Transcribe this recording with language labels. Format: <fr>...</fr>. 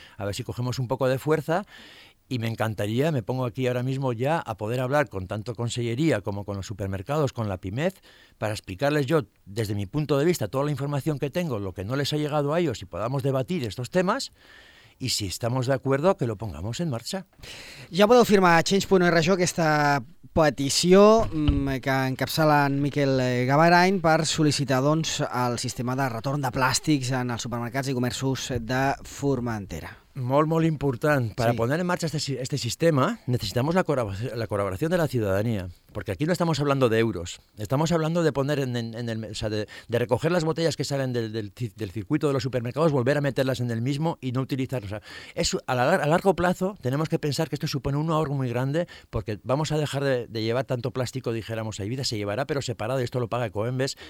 <es>A ver si cogemos un poco de fuerza, y me encantaría, me pongo aquí ahora mismo ya, a poder hablar con tanto consellería como con los supermercados, con la PIMEF, para explicarles yo, desde mi punto de vista, toda la información que tengo, lo que no les ha llegado a ellos, y podamos debatir estos temas. I si estamos de acuerdo, que lo pongamos en marcha.</es> <ca>Ja podeu firmar a change.org aquesta petició que encapçala en Miquel Gavarain per sol·licitar, doncs, el sistema de retorn de plàstics en els supermercats i comerços de Formentera. Molt, molt important.</ca> <es>Para poner en marcha este sistema necesitamos la colaboración de la ciudadanía. porque aquí no estamos hablando de euros, estamos hablando de poner en el, o sea, de recoger las botellas que salen del circuito de los supermercados, volver a meterlas en el mismo y no utilizarlas. O sea, a largo plazo tenemos que pensar que esto supone un ahorro muy grande, porque vamos a dejar de llevar tanto plástico, dijéramos, ahí vida se llevará, pero separado, y esto lo paga Ecoembes.</es>